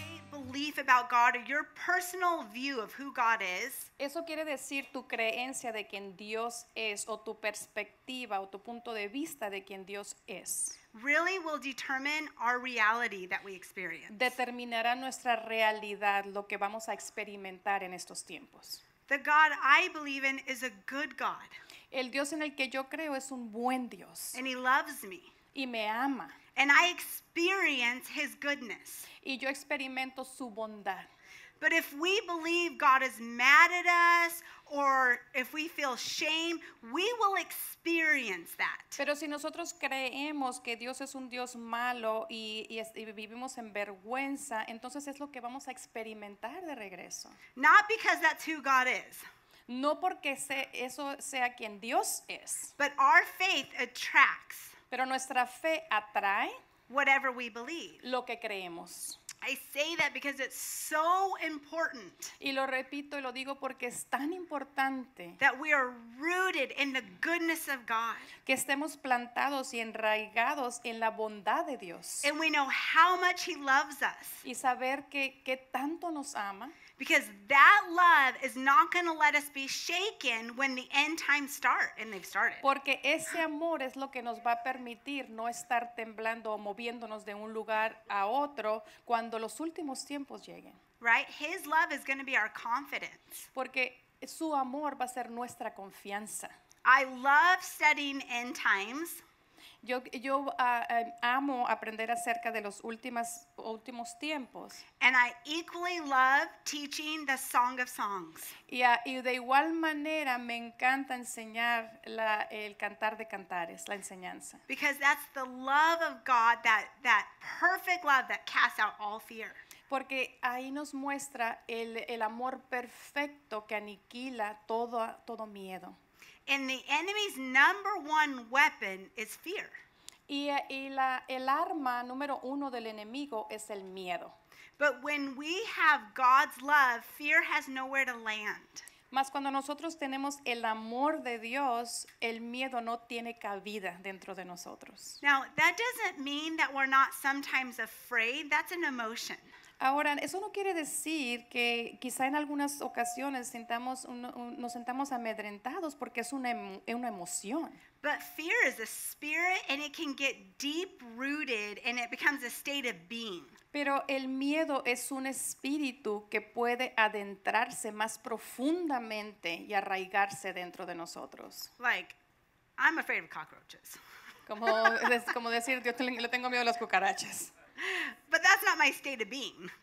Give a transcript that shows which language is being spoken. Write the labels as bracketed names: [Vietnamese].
[English] belief about God, or your personal view of who God is. [Spanish] Eso quiere decir tu creencia de quien Dios es, o tu perspectiva, o tu punto de vista de quien Dios es. [English] Really will determine our reality that we experience. [Spanish] Determinará nuestra realidad, lo que vamos a experimentar en estos tiempos. [English] The God I believe in is a good God. [Spanish] El Dios en el que yo creo es un buen Dios. [English] And he loves me. [Spanish] Y me ama. [English] And I experience his goodness. [Spanish] Y yo experimento su bondad. [English] But if we believe God is mad at us, or if we feel shame, we will experience that. [Spanish] Pero si nosotros creemos que Dios es un Dios malo y vivimos en vergüenza, entonces es lo que vamos a experimentar de regreso. [English] Not because that's who God is. [Spanish] No porque eso sea quien Dios es. [English] But our faith attracts. [Spanish] Pero nuestra fe atrae [English] whatever we believe. [Spanish] Lo que creemos. [English] I say that because it's so important. [Spanish] Y lo repito y lo digo porque es tan importante. [English] That we are rooted in the goodness of God. [Spanish] Que estemos plantados y enraigados en la bondad de Dios. [English] And we know how much he loves us. [Spanish] Y saber que tanto nos ama. [English] Because that love is not going to let us be shaken when the end times start, and they've started. [Spanish] Porque ese amor es lo que nos va a permitir no estar temblando o moviéndonos de un lugar a otro cuando los últimos tiempos lleguen. [English] Right? His love is going to be our confidence. [Spanish] Porque su amor va a ser nuestra confianza. [English] I love studying end times. [Spanish] Yo amo aprender acerca de los últimos tiempos. [English] And I equally love teaching the Song of Songs. [Spanish] Y de igual manera me encanta enseñar el cantar de cantares, la enseñanza. [English] Because that's the love of God, that perfect love that casts out all fear. [Spanish] Porque ahí nos muestra el amor perfecto que aniquila todo miedo. [English] And the enemy's number one weapon is fear. [Spanish] Y el arma número uno del enemigo es el miedo. [English] But when we have God's love, fear has nowhere to land. [Spanish] Mas cuando nosotros tenemos el amor de Dios, el miedo no tiene cabida dentro de nosotros. [English] Now, that doesn't mean that we're not sometimes afraid. That's an emotion. [Spanish] Ahora, eso no quiere decir que quizá en algunas ocasiones nos sentamos amedrentados porque es una emoción. [English] But fear is a spirit and it can get deep rooted and it becomes a state of being. [Spanish] Pero el miedo es un espíritu que puede adentrarse más profundamente y arraigarse dentro de nosotros. [English] Like, I'm afraid of cockroaches. [Spanish] Como decir, yo le tengo miedo a las cucarachas. [English] But that's not my state of being.